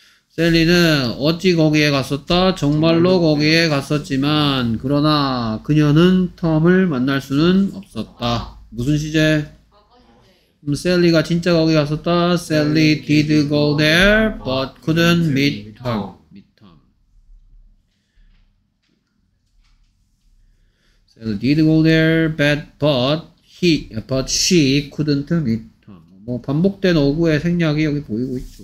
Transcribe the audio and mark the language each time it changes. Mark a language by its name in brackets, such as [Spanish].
[Korean] 셀리는 어찌 거기에 갔었다? 정말로 거기에 갔었지만 그러나 그녀는 톰을 만날 수는 없었다. 무슨 시제? 셀리가 진짜 거기 갔었다. [English] Sally did go there but couldn't meet Tom. 셀리 did go there but she couldn't meet Tom. [Korean] 뭐 반복된 어구의 생략이 여기 보이고 있죠.